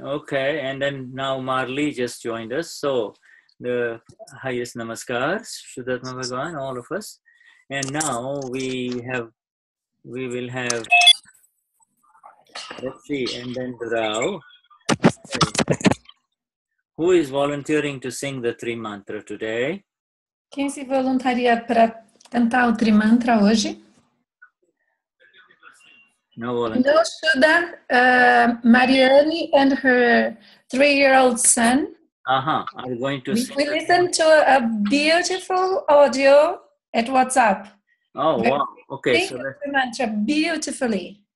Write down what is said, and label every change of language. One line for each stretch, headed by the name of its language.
English: Okay, and then now Marley just joined us. So the highest namaskars, Shuddhatma Bhagavan, all of us. And now we will have, let's see, and then Rao. Who is volunteering to sing the three mantra today?
Portuguese: Quem se voluntaria para cantar o tri mantra hoje?
English: No volunteer. No, Shuddha, Marianne and her three-year-old son. Uh-huh. I'm going to sing. We listened to a beautiful audio at WhatsApp. Oh, wow. Okay. Sing the three mantra beautifully.